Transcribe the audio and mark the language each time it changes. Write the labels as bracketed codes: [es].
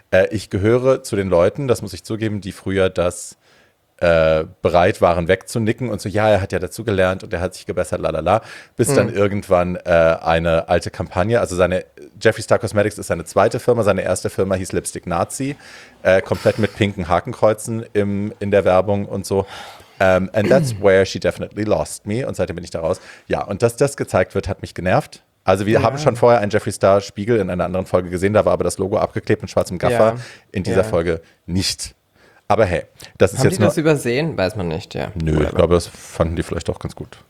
[de] Ich gehöre zu den Leuten, das muss ich zugeben, die früher das bereit waren, wegzunicken und so, ja, er hat ja dazugelernt und er hat sich gebessert, lalala, bis dann irgendwann eine alte Kampagne, also seine Jeffree Star Cosmetics ist seine zweite Firma, seine erste Firma hieß Lipstick Nazi, komplett mit pinken Hakenkreuzen in der Werbung und so. [en] And that's where she definitely lost me. [de] Und seitdem bin ich da raus. Ja, und dass das gezeigt wird, hat mich genervt. Also wir haben schon vorher einen Jeffree Star Spiegel in einer anderen Folge gesehen. Da war aber das Logo abgeklebt mit schwarzem Gaffer. Ja. In dieser Folge nicht. Aber hey, das haben ist jetzt nur... Haben die das übersehen? Weiß man nicht, ja. Nö, ich glaube, das fanden die vielleicht auch ganz gut.